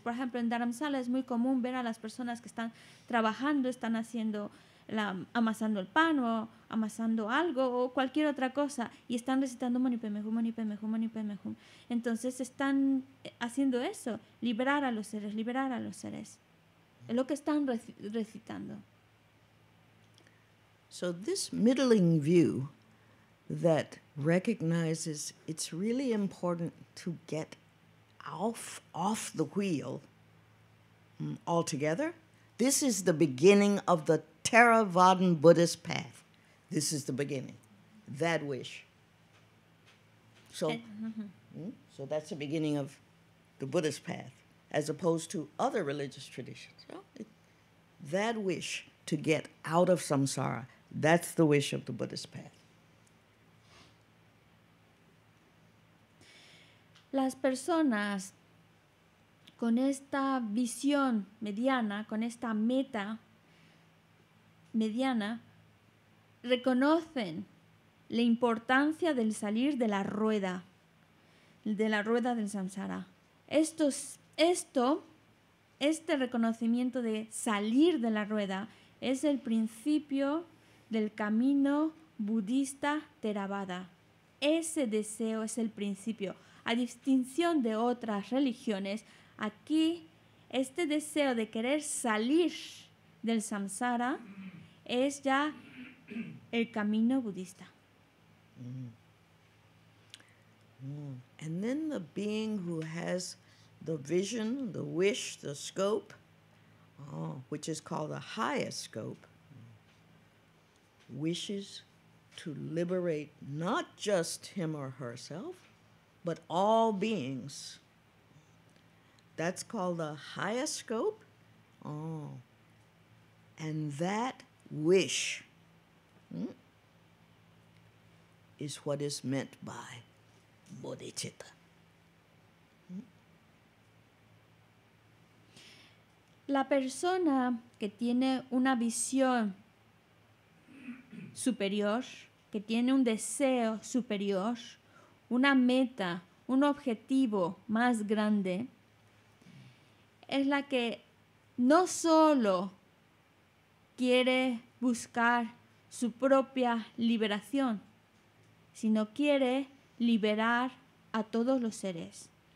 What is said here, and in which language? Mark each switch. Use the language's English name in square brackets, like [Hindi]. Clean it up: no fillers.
[Spanish] Por ejemplo, en Dharamsala es muy común ver a las personas que están trabajando, están haciendo, amasando el pan o amasando algo o cualquier otra cosa y están recitando Mani Padme Hum, Mani Padme Hum, Mani Padme Hum. Entonces están haciendo eso, liberar a los seres, liberar a los seres. Es lo que están recitando. [English] So this middling view that recognizes it's really important to get off the wheel altogether, this is the beginning of the Theravadan Buddhist path. This is the beginning. That wish. So, so that's the beginning of the Buddhist path as opposed to other religious traditions. That wish to get out of samsara, that's the wish of the Buddhist path. [Spanish] Las personas con esta visión mediana, con esta meta mediana, reconocen la importancia del salir de la rueda del samsara. Este reconocimiento de salir de la rueda es el principio del camino budista Theravada. Ese deseo es el principio. A distinción de otras religiones, aquí este deseo de querer salir del samsara es ya el camino budista. [English] And then the being who has the vision, the wish, the scope, which is called the highest scope, wishes to liberate not just him or herself, but all beings. That's called the highest scope. And that wish is what is meant by bodhicitta. [Spanish] La persona que tiene una visión superior, que tiene un deseo superior, una meta, un objetivo más grande, es la que no solo quiere buscar su propia liberación, sino quiere liberar a todos los seres.